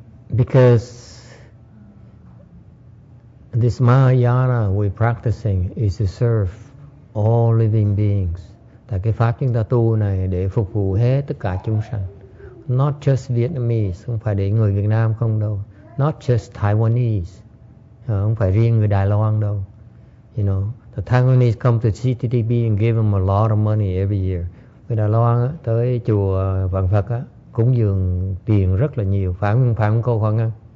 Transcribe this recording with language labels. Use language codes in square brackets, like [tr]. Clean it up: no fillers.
[en] Because this Mahayana we're practicing is to serve all living beings. [vi] Tại cái pháp chúng ta tu này để phục vụ hết tất cả chúng sanh. [en] Not just Vietnamese, [vi] không phải để người Việt Nam không đâu. [en] Not just Taiwanese, [vi] không phải riêng người Đài Loan đâu. [en] You know, the Taiwanese come to CTTP and give them a lot of money every year. [vi] Người Đài Loan tới chùa Vạn Phật á, cúng dường tiền rất là nhiều. Phải không cô Hoa Ngân?